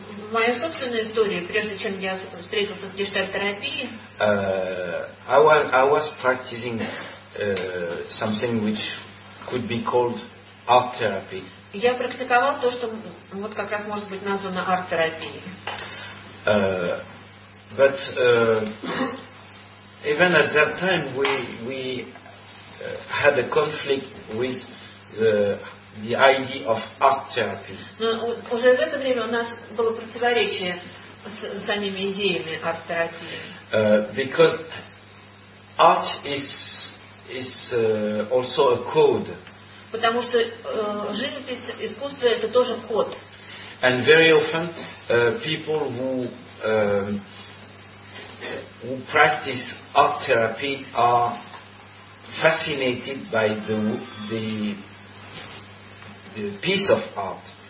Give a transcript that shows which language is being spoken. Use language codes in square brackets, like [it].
[ru] Моя собственная история, прежде чем я встретился с гештальт-терапией. [en] I was practicing something which could be called art therapy. [ru] Я практиковал то, что вот как раз может быть названо арт-терапией. [en] But even at that time we had a conflict with the idea of art therapy. [ru] Но уже в это время у нас было противоречие с самими идеями арт-терапии. [en] Because art is also a code. [ru] Потому что живопись, искусство это тоже код. [en] And very often people who practice art therapy are fascinated by the piece of art.